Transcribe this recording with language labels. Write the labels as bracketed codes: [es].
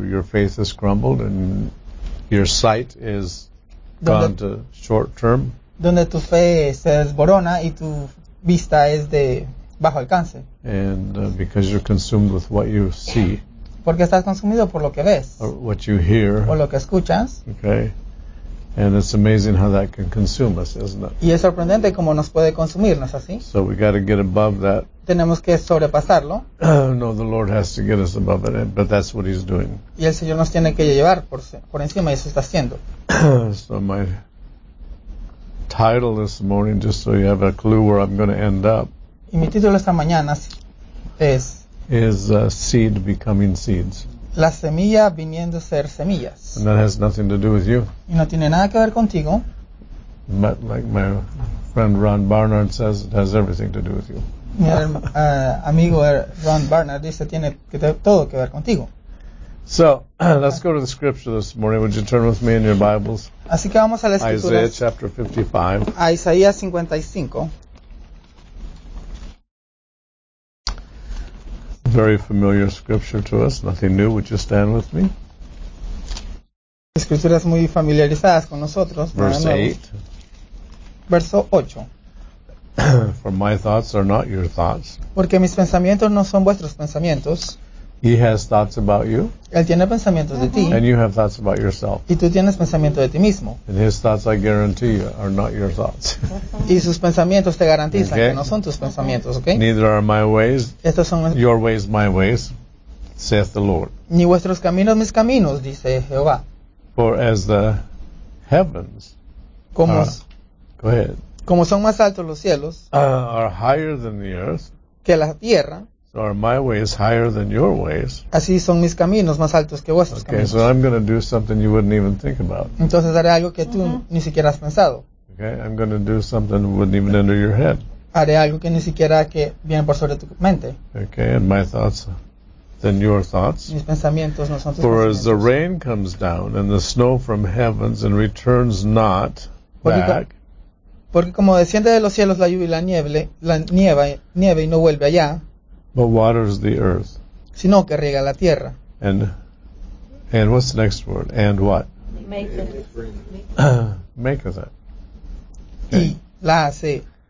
[en] Your faith is crumbled and your sight is gone to short term. [es] Donde tu fe se desborona y tu vista es de bajo alcance. [en] And because you're consumed with what you see. [es] Porque estás consumido por lo que ves. [en] Or what you hear. [es] O lo que escuchas. [en] Okay. And it's amazing how that can consume us, isn't it? [es] Y es sorprendente cómo nos puede consumir, ¿no es así? [en] So we got to get above that. [es] Tenemos que sobrepasarlo. [en] No, the Lord has to get us above it, but that's what He's doing. [es] Y el Señor nos tiene que llevar por encima y eso está haciendo. [en] So my title this morning, just so you have a clue where I'm going to end up. [es] Y mi título esta mañana es. [en] Is seed becoming seeds. [es] La semilla viniendo a ser semillas. [en] And that has nothing to do with you. [es] Y no tiene nada que ver contigo. [en] But like my friend Ron Barnard says, it has everything to do with you. [es] Mi amigo Ron Barnard dice, tiene todo que ver contigo. [en] So, let's go to the scripture this morning. Would you turn with me in your Bibles? [es] Así que vamos a la escritura. [en] Isaiah chapter 55. [es] A Isaías 55. [en] Very familiar scripture to us. Nothing new. Would you stand with me? [es] Escrituras muy familiarizadas con nosotros. [en] Verse 8. [es] Verso 8. [en] For my thoughts are not your thoughts. [es] Porque mis pensamientos no son vuestros pensamientos. [en] He has thoughts about you. [es] Él tiene pensamientos de ti. [en] And you have thoughts about yourself. [es] Y tú tienes pensamientos de ti mismo. [en] And his thoughts, I guarantee you, are not your thoughts. [es] Y sus pensamientos te garantizan okay. que no son tus pensamientos, ¿ok? [en] Neither are my ways. [es] Estos son [en] your ways, my ways, saith the Lord. [es] Ni vuestros caminos, mis caminos, dice Jehová. [en] For as the heavens. [es] Como. [en] Go ahead. [es] Como son más altos los cielos. [en] Are higher than the earth. [es] Que la tierra. [en] So are my ways higher than your ways. [es] Así son mis caminos más altos que vuestros [en] okay, [es] caminos. [en] Okay, so I'm going to do something you wouldn't even think about. [es] Entonces haré algo que tú ni siquiera has pensado. [en] Okay, I'm going to do something that wouldn't even enter your head. [es] Haré algo que ni siquiera que viene por sobre tu mente. [en] Okay, and my thoughts than your thoughts. [es] Mis pensamientos no son tus [en] For [es] pensamientos. [en] As the rain comes down and the snow from heavens and returns not back. [es] Porque como desciende de los cielos la lluvia y la nieve y no vuelve allá. [en] But waters the earth. [es] Sino que riega la tierra. [en] And what's the next word? And what? Maketh. Maketh it. [es] Y okay. la hace.